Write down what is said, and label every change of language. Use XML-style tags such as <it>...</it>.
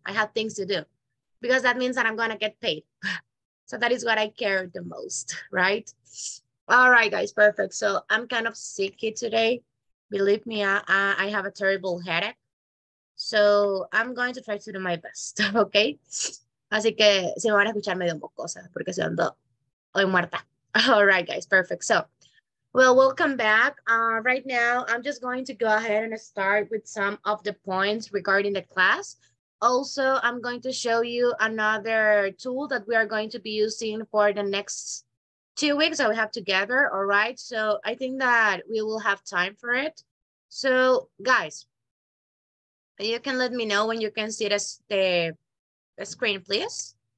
<en>I have things to do because that means that I'm gonna get paid. So that is what I care the most, right? All right, guys, perfect. So I'm kind of sicky today. Believe me, I have a terrible headache. So I'm going to try to do my best, okay?</en> <es>Así que se me van a escuchar medio mocosa porque estoy ando hoy muerta.</es> <en>All right, guys, perfect. So Well, welcome back. Right now, I'm just going to go ahead and start with some of the points regarding the class. Also, I'm going to show you another tool that we are going to be using for the next 2 weeks that we have together, all right? So I think that we will have time for it. So guys, you can let me know when you can see the screen, please.</en>